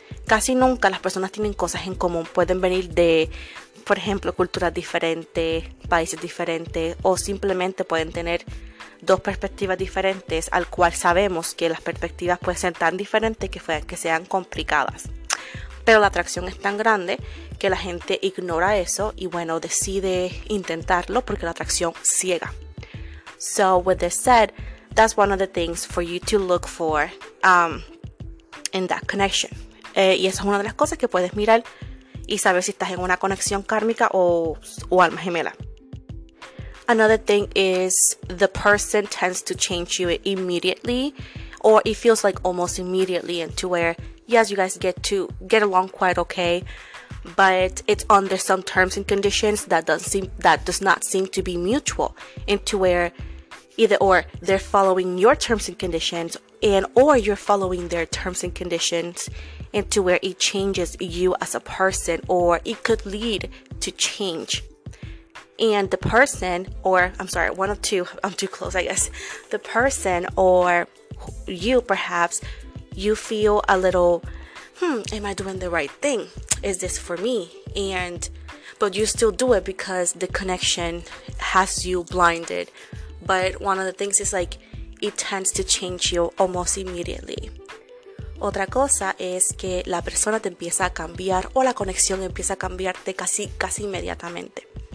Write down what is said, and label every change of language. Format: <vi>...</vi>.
<es>Casi nunca las personas tienen cosas en común. Pueden venir de, por ejemplo, culturas diferentes, países diferentes, o simplemente pueden tener dos perspectivas diferentes, al cual sabemos que las perspectivas pueden ser tan diferentes que sean complicadas. Pero la atracción es tan grande que la gente ignora eso y, bueno, decide intentarlo porque la atracción ciega.</es> <en>So, with this said, that's one of the things for you to look for in that connection.</en> <es>Y esa es una de las cosas que puedes mirar y saber si estás en una conexión kármica o alma gemela.</es> <en>Another thing is the person tends to change you immediately, or it feels like almost immediately, into where, yes, you guys get along quite okay, but it's under some terms and conditions that does not seem to be mutual, into where either or they're following your terms and conditions, and or you're following their terms and conditions, into where it changes you as a person, or it could lead to change. And the person, or I'm sorry, one of two, I'm too close, I guess. The person, or you perhaps, you feel a little, am I doing the right thing? Is this for me? But you still do it because the connection has you blinded. But one of the things is, like, it tends to change you almost immediately.</en> <es>Otra cosa es que la persona te empieza a cambiar, o la conexión empieza a cambiarte casi inmediatamente.</es>